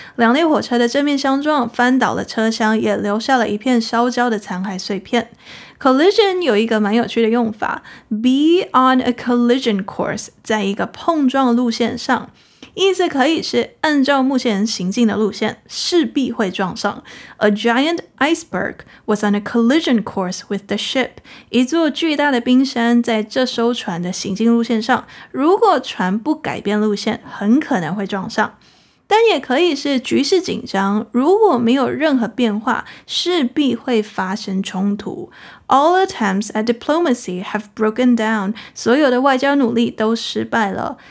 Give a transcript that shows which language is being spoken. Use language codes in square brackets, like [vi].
[zh] 两列火车的正面相撞，翻倒了车厢，也留下了一片烧焦的残骸碎片。 Collision 有一个蛮有趣的用法 ， [en] be on a collision course， [zh] 在一个碰撞路线上。意思可以是按照目前行进的路线势必会撞上。 [en] A giant iceberg was on a collision course with the ship. [zh] 一座巨大的冰山在这艘船的行进路线上，如果船不改变路线，很可能会撞上。但也可以是局势紧张，如果没有任何变化，势必会发生冲突。 [en] All attempts at diplomacy have broken down， [zh] 所有的外交努力都失败了。